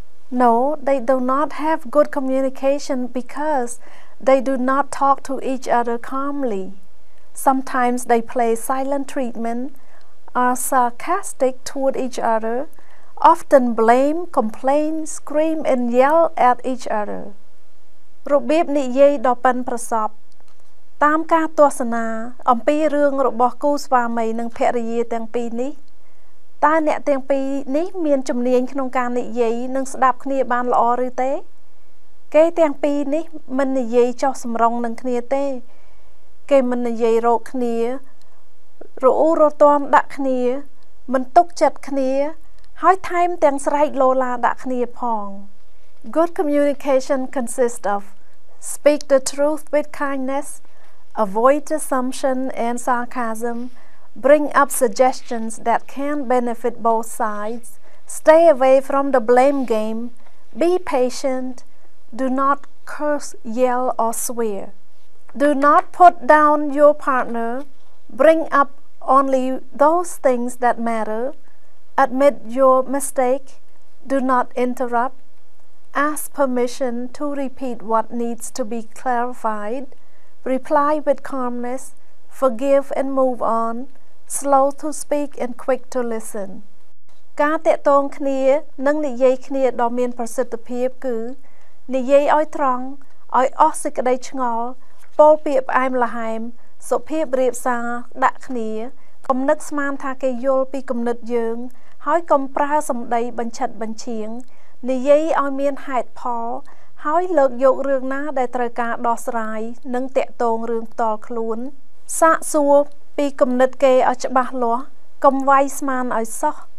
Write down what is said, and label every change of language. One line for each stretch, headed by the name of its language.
English: No, they do not have good communication because they do not talk to each other calmly. Sometimes they play silent treatment, are sarcastic toward each other, often blame, complain, scream, and yell at each other.
Khmer: របៀបនិយាយដ៏ប៉ិនប្រសប់តាមការទស្សនាអំពីរឿងរបស់គូស្វាមីនិងភរិយាទាំងពីរនេះតើអ្នកទាំងពីរនេះមានជំនាញក្នុងការនិយាយនិងស្ដាប់គ្នាបានល្អឬទេគេទាំងពីរនេះមិននិយាយចោះសំរងនឹងគ្នាទេគេមិននិយាយរោគគ្នារ អ៊ូរទាំដាក់គ្នាមិនទុកចិត្តគ្នាហើយថែមទាំងស្រែកលោឡាដាក់គ្នាផង
English: Good communication consists of speak the truth with kindness, avoid assumption and sarcasm,Bring up suggestions that can benefit both sides. Stay away from the blame game. Be patient. Do not curse, yell, or swear. Do not put down your partner. Bring up only those things that matter. Admit your mistake. Do not interrupt. Ask permission to repeat what needs to be clarified. Reply with calmness. Forgive and move on. Slow to speak and quick to listen.
Khmer: ការតាក់ទងគ្នានិងនិយាយគ្នាដ៏មានប្រសិទ្ធភាពគឺនិយាយឲ្យត្រង់ឲ្យអស់សេចក្តីឆ្ងល់ពោលពាក្យផ្អែមល្ហែមសុភាពរៀបសារដាក់គ្នាគំនិតស្មានថាគេយល់ពីគំនិតយើងហើយកុំប្រើសម្ដីបញ្ឆិតបញ្ឆៀងនិយាយឲ្យមានហេតុផលហើយលើកយករឿងណាដែលត្រូវការដោះស្រាយនិងតាក់ទងរឿងផ្ទាល់ខ្លួនសាកសួរពីគំនិតគេឲ្យច្បាស់លាស់កុំវាយស្មានឲ្យសោះ